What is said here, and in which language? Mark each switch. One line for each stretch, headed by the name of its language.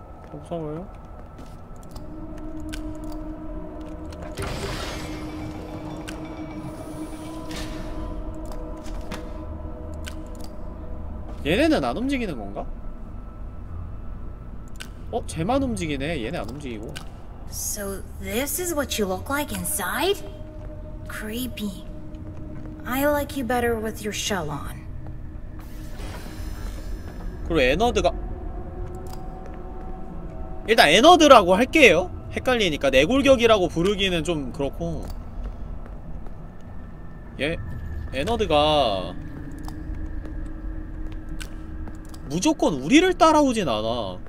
Korean: 무서워요? 얘네는 안 움직이는 건가? 어, 쟤만 움직이네. 얘네 안 움직이고.
English: So this is what you look like inside? Creepy. I like you better with your shell on.
Korean: 그리고 에너드가 일단 에너드라고 할게요. 헷갈리니까 내골격이라고 부르기는 좀 그렇고. 얘 에너드가 무조건 우리를 따라오진 않아.